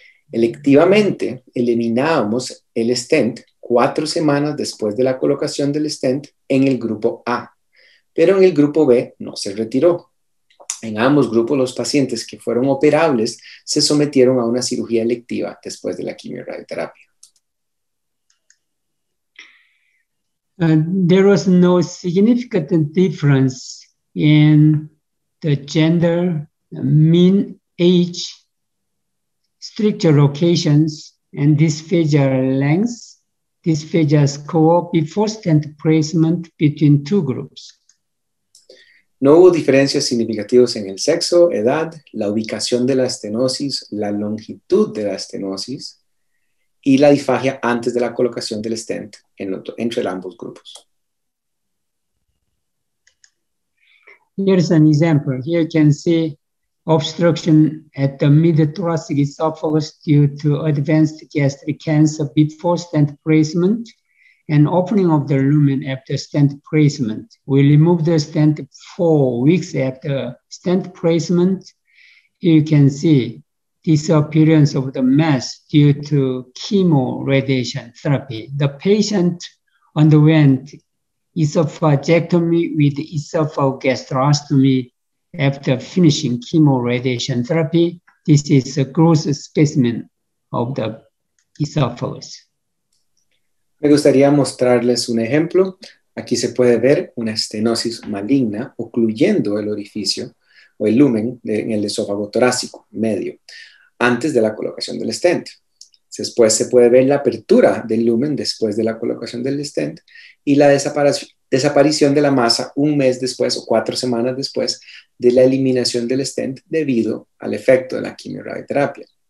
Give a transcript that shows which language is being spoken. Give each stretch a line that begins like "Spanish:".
Spanish: Electivamente, eliminábamos el stent 4 semanas después de la colocación del stent en el grupo A, pero en el grupo B no se retiró. En ambos grupos, los pacientes que fueron operables se sometieron a una cirugía electiva después de la quimioterapia.
English: There was no significant difference in the gender, mean age, stricture locations, and disfigure lengths, disfigure score before stent placement between two groups.
Spanish: No hubo diferencias significativas en el sexo, edad, la ubicación de la estenosis, la longitud de la estenosis y la disfagia antes de la colocación del stent entre ambos grupos.
English: Here's an example. Here you can see obstruction at the mid-thoracic esophagus due to advanced gastric cancer before stent placement and opening of the lumen after stent placement. We remove the stent 4 weeks after stent placement. You can see disappearance of the mass due to chemo radiation therapy. The patient underwent esophagectomy with esophagogastrostomy after finishing chemo radiation therapy. This is a gross specimen of the esophagus.
Spanish: Me gustaría mostrarles un ejemplo. Aquí se puede ver una estenosis maligna ocluyendo el orificio o el lumen en el esófago torácico medio antes de la colocación del stent. Después se puede ver la apertura del lumen después de la colocación del stent y la desaparición de la masa un mes después o 4 semanas después de la eliminación del stent debido al efecto de la quimioterapia.